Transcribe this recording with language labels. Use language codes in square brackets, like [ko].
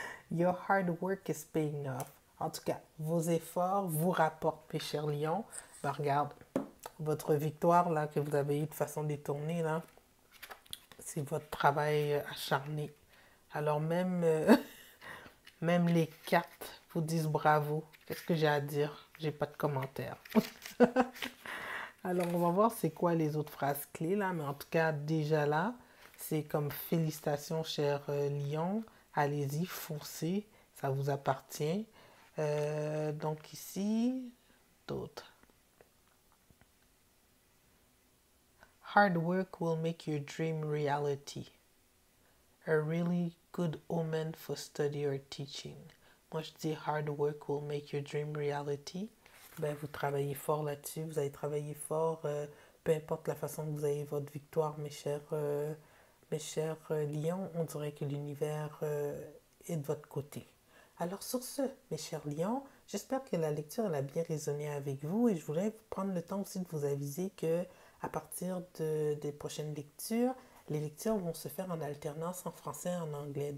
[en] Your hard work is paying off. [fr] En tout cas, vos efforts vous rapportent, mes chers lions. Ben, regarde, votre victoire là, que vous avez eue de façon détournée, là, c'est votre travail acharné. Alors même les cartes vous disent bravo. Qu'est-ce que j'ai à dire? J'ai pas de commentaires. Alors, on va voir c'est quoi les autres phrases clés là. Mais en tout cas, déjà là, c'est comme félicitations, chers lions. Allez-y, foncez, ça vous appartient. Donc ici, d'autres. [en] Hard work will make your dream reality. A really good omen for study or teaching. [fr] Moi, je dis [en] hard work will make your dream reality. [fr] Ben, vous travaillez fort là-dessus, vous avez travaillé fort, peu importe la façon que vous avez votre victoire, mes chers. Mes chers lions, on dirait que l'univers est de votre côté. Alors sur ce, mes chers lions, j'espère que la lecture elle a bien résonné avec vous et je voulais prendre le temps aussi de vous aviser que à partir des prochaines lectures, les lectures vont se faire en alternance en français et en anglais.